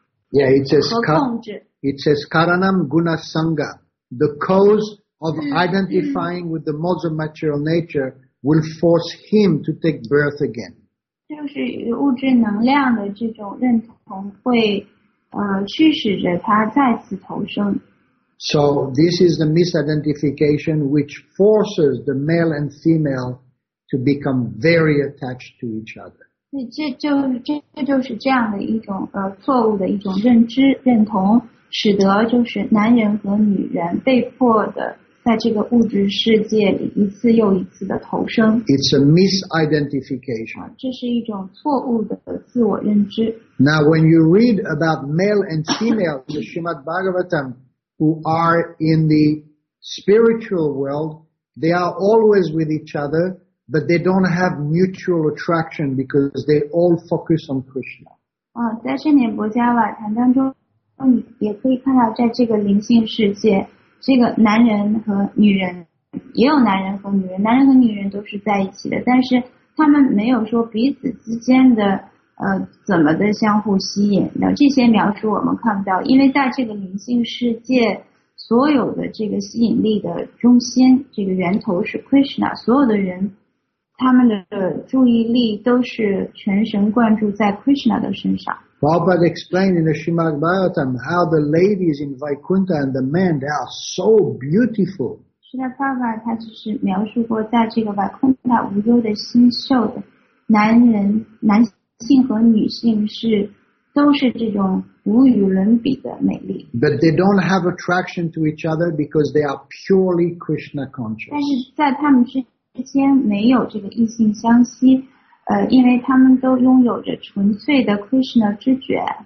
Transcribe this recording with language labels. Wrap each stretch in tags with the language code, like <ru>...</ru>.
<en>Yeah, it says, it says</en> <sa>karanam guna sangha.</sa> <en>The cause of identifying with the mother material nature will force him to take birth again.</en> <zh>就是物质能量的这种认同会驱使着他再次投生。</zh> <en>So this is the misidentification which forces the male and female to become very attached to each other.</en> <zh>这就是这样的一种错误的一种认知认同，使得就是男人和女人被迫的在这个物质世界里一次又一次的投生。</zh> <en>It's a misidentification.</en> <zh>这是一种错误的自我认知。</zh> <en>Now when you read about male and female in the Srimad Bhagavatam,who are in the spiritual world, they are always with each other, but they don't have mutual attraction because they all focus on Krishna.</en> <zh>在圣严伯加瓦坛当中，你也可以看到，在这个灵性世界，这个男人和女人，也有男人和女人，男人和女人都是在一起的，但是他们没有说彼此之间的怎么的相互吸引的，这些描述我们看不到，因为在这个灵性世界，所有的这个吸引力的中心，这个源头是 Krishna， 所有的人他们的注意力都是全神贯注在 Krishna 的身上。</zh> <en>Prabhupada explained in the Srimad Bhagavatam how the ladies in Vaikuntha and the men, they are so beautiful.</en> <zh>是的，爸爸他就是描述过在这个 Vaikuntha 无忧的新秀的男人男性性和女性是都是这种无与伦比的美丽。</zh> <en>But they don't have attraction to each other because they are purely Krishna conscious.</en> <zh>但是在他们之间没有这个异性相吸，因为他们都拥有着纯粹的 Krishna 知觉。</zh>